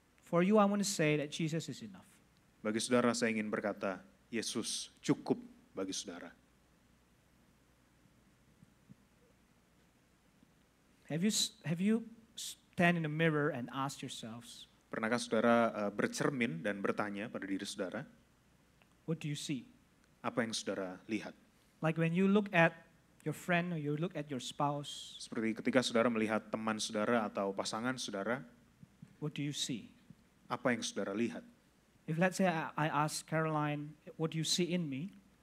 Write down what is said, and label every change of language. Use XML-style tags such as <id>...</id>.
<en>For you I want to say that Jesus is enough.</en> <id>Bagi saudara saya ingin berkata, Yesus cukup bagi saudara.</id> <en>Have you stand in a mirror and ask yourselves?</en> <id>Pernahkah saudara bercermin dan bertanya pada diri saudara?</id> <en>What do you see?</en> <id>Apa yang saudara lihat?</id> <en>Like when you look at your friend or you look at your spouse.</en> <id>Seperti ketika saudara melihat teman saudara atau pasangan saudara.</id> <en>What do you see?</en> <id>Apa yang saudara lihat?</id> <en>If let's say I ask Caroline, what do you see in me?</en>